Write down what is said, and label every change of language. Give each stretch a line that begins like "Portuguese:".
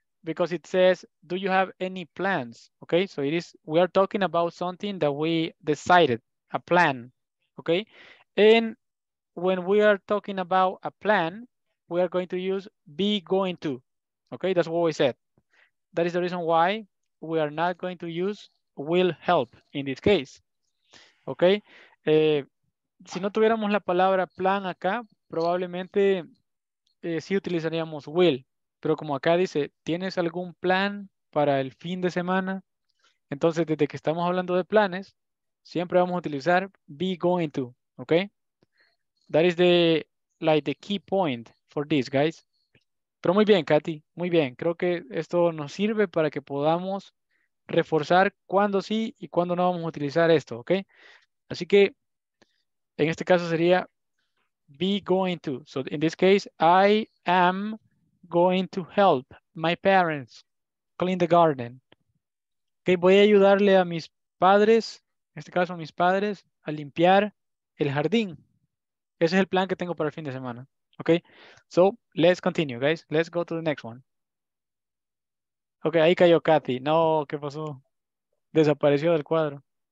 English: Because it says, do you have any plans? Okay, so it is, we are talking about something that we decided, a plan, okay? And when we are talking about a plan, we are going to use be going to, okay? That's what we said. That is the reason why we are not going to use will help in this case, okay?
Spanish: Si no tuviéramos la palabra plan acá, probablemente sí utilizaríamos will, pero como acá dice, ¿tienes algún plan para el fin de semana? Entonces, desde que estamos hablando de planes, siempre vamos a utilizar be going to, ¿ok?
English: That is the, like, the key point for this, guys.
Spanish: Pero muy bien, Katy, muy bien. Creo que esto nos sirve para que podamos reforzar cuándo sí y cuándo no vamos a utilizar esto, ¿ok? Así que, en este caso sería be going to.
English: So in this case, I am going to help my parents clean the garden.
Spanish: Okay, voy a ayudarle a mis padres, en este caso a mis padres, a limpiar el jardín. Ese es el plan que tengo para el fin de semana.
English: Okay, so let's continue, guys. Let's go to the next one. Okay,
Spanish: ahí cayó Katy. No, ¿qué pasó? Desapareció del cuadro.